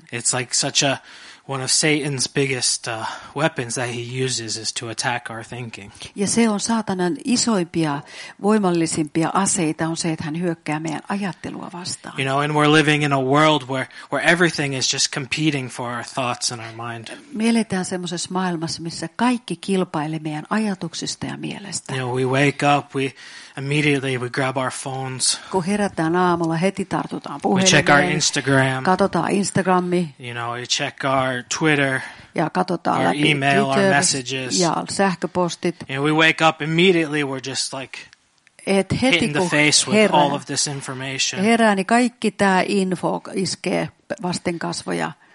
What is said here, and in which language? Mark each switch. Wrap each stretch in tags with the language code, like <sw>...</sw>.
<en>It's like such a one of Satan's biggest weapons that he uses is to attack our thinking.</en> <fi>Ja se on saatanan isoimpia, voimallisimpia aseita on se, että hän hyökkää meidän ajattelua vastaan.</fi> <en>And we're living in a world where everything is just competing for our thoughts and our mind.</en> <fi>Me eletään semmoisessa maailmassa, missä kaikki kilpailee meidän ajatuksista ja mielestä.</fi> <en>We wake up, we immediately we grab our phones.</en> <fi>Kun herätään aamulla, heti tartutaan puhelimeen.</fi> <en>We check our Instagram.</en> <fi>Katsotaan Instagrammi.</fi> <en>We check our Twitter,</en> <fi>ja katsotaan</fi> <en>our email, our messages,</en> <fi>ja sähköpostit.</fi> <en>And we wake up immediately, we're just like hit in the face with all of this information.</en> <fi>Herää, niin kaikki tämä info iskee vasten kasvoja.</fi>